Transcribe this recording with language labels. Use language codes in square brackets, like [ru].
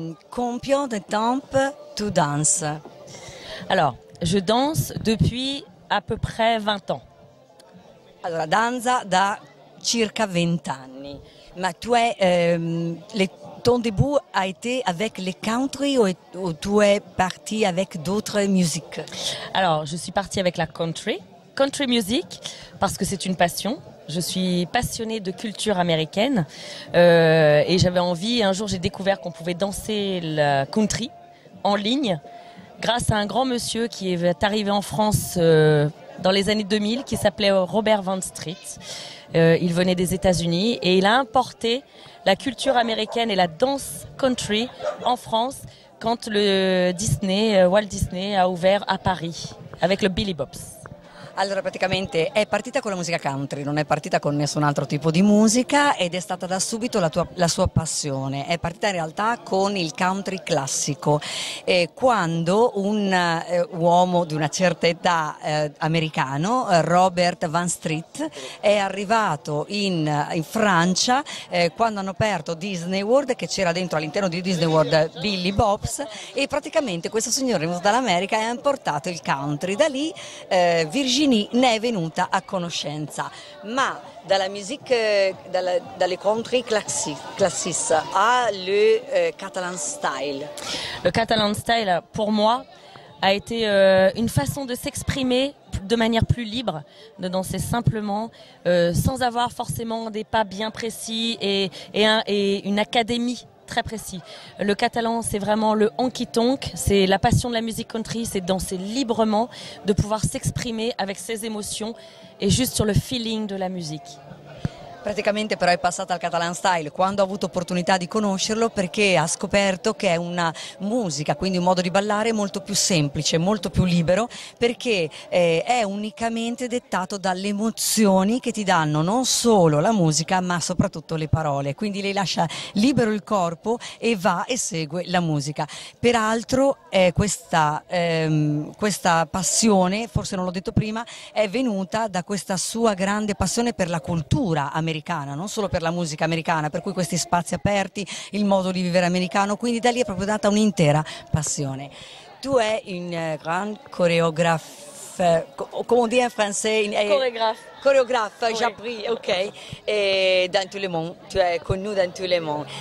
[fr] Combien de temps tu danses? Alors, je danse depuis à peu près 20 ans. [it] Alors, danza da circa 20 anni. [fr] Ma tu es, ton début a été avec les country ou tu es parti avec d'autres musiques? Alors, je suis partie avec la country. Country music, parce que c'est une passion. Je suis passionnée de culture américaine. Et j'avais envie, un jour j'ai découvert qu'on pouvait danser la country en ligne grâce à un grand monsieur qui est arrivé en France dans les années 2000, qui s'appelait Robert Van Street. Il venait des États-Unis et il a importé la culture américaine et la danse country en France quand le Disney, Walt Disney a ouvert à Paris avec le Billy Bob's. [it] Allora, praticamente è partita con la musica country, non è partita con nessun altro tipo di musica ed è stata da subito la sua passione. È partita in realtà con il country classico. E quando un uomo di una certa età americano, Robert Van Street, è arrivato in Francia quando hanno aperto Disney World, che c'era dentro all'interno di Disney World Billy Bob's, e praticamente questo signore venuto dall'America e ha importato il country. Da lì Virginia ne è venuta a conoscenza, ma dalla musique, dalle country classiques à le catalan style. Le catalan style, pour moi, a été une façon de s'exprimer de manière plus libre, de danser simplement, sans avoir forcément des pas bien précis et une académie très précis. Le catalan, c'est vraiment le honky-tonk, c'est la passion de la musique country, c'est danser librement, de pouvoir s'exprimer avec ses émotions et juste sur le feeling de la musique. Praticamente però è passata al catalan style quando ho avuto opportunità di conoscerlo, perché ha scoperto che è una musica, quindi un modo di ballare molto più semplice, molto più libero, perché è unicamente dettato dalle emozioni che ti danno non solo la musica ma soprattutto le parole. Quindi lei lascia libero il corpo e va e segue la musica. Peraltro questa passione, forse non l'ho detto prima, è venuta da questa sua grande passione per la cultura americana, non solo per la musica americana, per cui questi spazi aperti, il modo di vivere americano, quindi da lì è proprio data un'intera passione. [fr] Tu è un grand choreographe, [it] come dire in francese? [fr] Choreographe. Choreographe, oui. J'appris, ok. E dans tout le monde, tu es connu dans tout le monde.